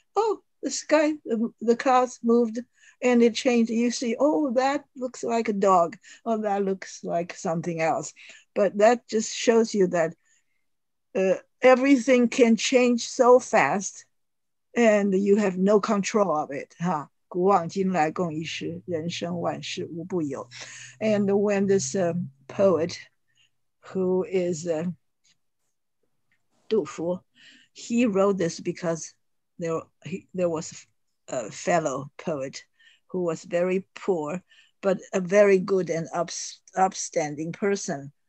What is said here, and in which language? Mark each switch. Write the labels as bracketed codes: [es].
[en] Oh, the sky, the clouds moved. And it changed, you see, oh, that looks like a dog. Oh, that looks like something else. But that just shows you that everything can change so fast and you have no control of it. Huh? [zh] 古往今来共一时，人生万事无不有. [en] And when this poet who is Dufu, he wrote this because there was a fellow poet who was very poor, but a very good and upstanding person.